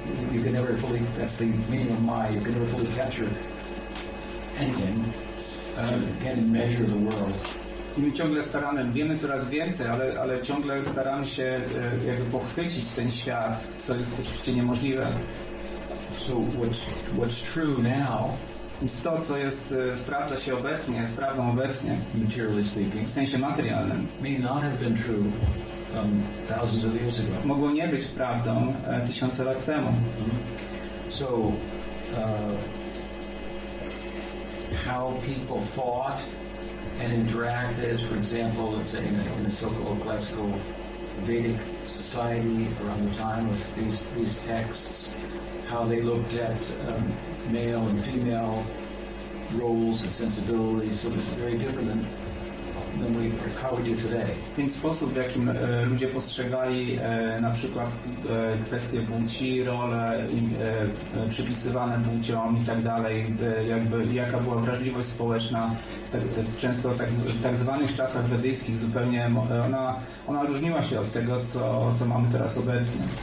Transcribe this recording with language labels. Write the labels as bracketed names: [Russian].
[English] You can never fully, that's the meaning of my, you can never fully capture anything. You can't measure the world. [Polish] I my ciągle staramy, wiemy coraz więcej, ale ciągle staramy się jakby pochwycić ten świat, co jest oczywiście niemożliwe. [English] So what's true now, [Polish] więc to, co jest, sprawdza się obecnie, jest prawdą obecnie, [English] materially speaking, [Polish] w sensie materialnym, [English] may not have been true thousands of years ago. [Polish] Mogło nie być prawdą tysiące lat temu. [English] So, how people fought and interacted, for example, let's say in a so-called classical Vedic society around the time of these texts, how they looked at male and female roles and sensibilities, so it's very different than than we how we do today. [Polish] Więc sposób, w jakim ludzie postrzegali na przykład kwestie płci, role przypisywane płciom i tak dalej, jakby jaka była wrażliwość społeczna często tak zwanych czasach wedyjskich, zupełnie ona różniła się od tego, co mamy teraz obecnie.